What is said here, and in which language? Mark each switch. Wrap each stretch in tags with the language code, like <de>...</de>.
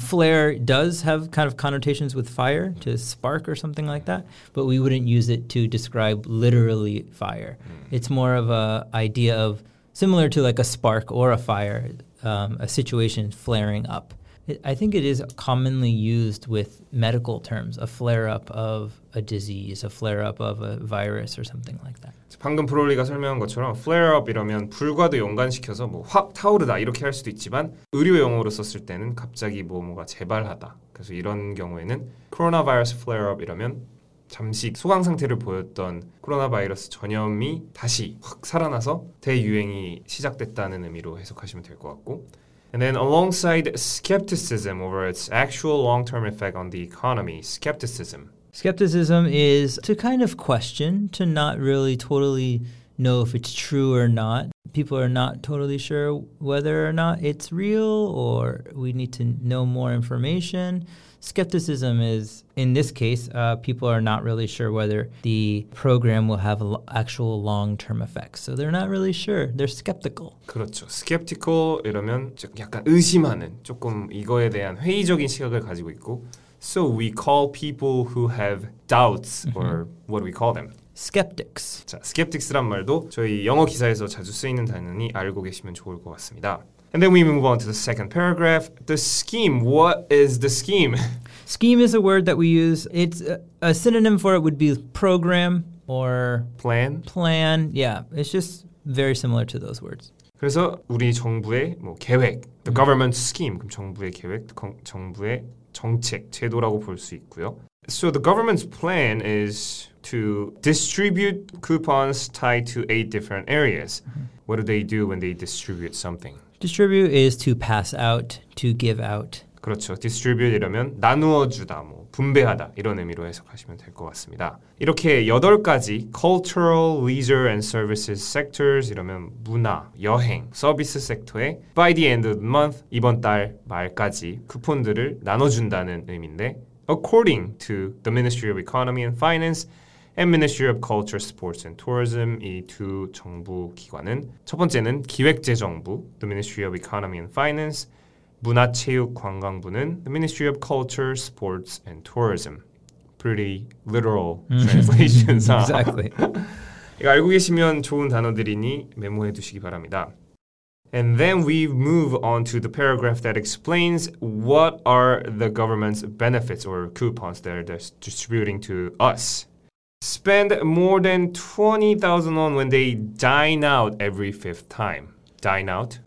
<en>Flare does have kind of connotations with fire, mm. to spark or something like that, but we wouldn't use it to describe literally fire. Mm. It's more of a idea of similar to like a spark or a fire, a situation flaring up. I think it is commonly used with medical terms, a flare-up of a disease, a flare-up of a virus or something like that.</en> <ko>방금 브롤리가 설명한 것처럼 flare-up이라면 불과도 연관시켜서 뭐 확 타오르다 이렇게 할 수도 있지만 의료 용어로 썼을 때는 갑자기 뭐가 재발하다. 그래서 이런 경우에는 coronavirus flare-up이라면 잠시 소강 상태를 보였던 코로나 바이러스 전염이 다시 확 살아나서 대유행이 시작됐다는 의미로 해석하시면 될 것 같고</ko> <en>And then alongside skepticism over its actual long-term effect on the economy, skepticism. Skepticism is to kind of question, to not really totally know if it's true or not. People are not totally sure whether or not it's real or we need to know more information. Skepticism is, in this case, people are not really sure whether the program will have actual long-term effects. So they're not really sure. They're skeptical.</en> <ko>그렇죠. Skeptical 이러면 약간 의심하는, 조금 이거에 대한 회의적인 시각을 가지고 있고.</ko> <en>So we call people who have doubts, or what do we call them? Skeptics.</en> <ko>자, skeptics란 말도 저희 영어 기사에서 자주 쓰이는 단어니 알고 계시면 좋을 것 같습니다.</ko> <en>And then we move on to the second paragraph. The scheme. What is the scheme? Scheme is a word that we use. It's a synonym for it would be program or plan. Plan. Yeah, it's just very similar to those words.</en> <ko>그래서 우리 정부의 뭐 계획,</ko> <en>the government scheme.</en> <ko>그럼 정부의 계획, 정부의 정책, 제도라고 볼 수 있고요.</ko> <en>So the government's plan is to distribute coupons tied to 8 different areas. Mm-hmm. What do they do when they distribute something? Distribute is to pass out, to give out.</en> <ko>그렇죠. Distribute 이러면 나누어 주다, 뭐 분배하다 이런 의미로 해석하시면 될 것 같습니다. 이렇게 8가지</ko> <en>cultural, leisure and services sectors</en> <ko>이러면 문화, 여행, 서비스 섹터에</ko> <en>by the end of the month,</en> <ko>이번 달 말까지 쿠폰들을 나눠준다는 의미인데</ko> <en>according to the Ministry of Economy and Finance and Ministry of Culture, Sports and Tourism,</en> <ko>이 두 정부 기관은 첫 번째는 기획재정부,</ko> <en>the Ministry of Economy and Finance,</en> <ko>문화체육관광부는</ko> <en>the Ministry of Culture, Sports and Tourism. Pretty literal translations, huh? Exactly.</en> <ko>이거 알고 계시면 좋은 단어들이니 메모해 두시기 바랍니다.</ko> <en>And then we move on to the paragraph that explains what are the government's benefits or coupons that they're distributing to us. Spend more than 20,000 won when they dine out every fifth time. Dine out?</en>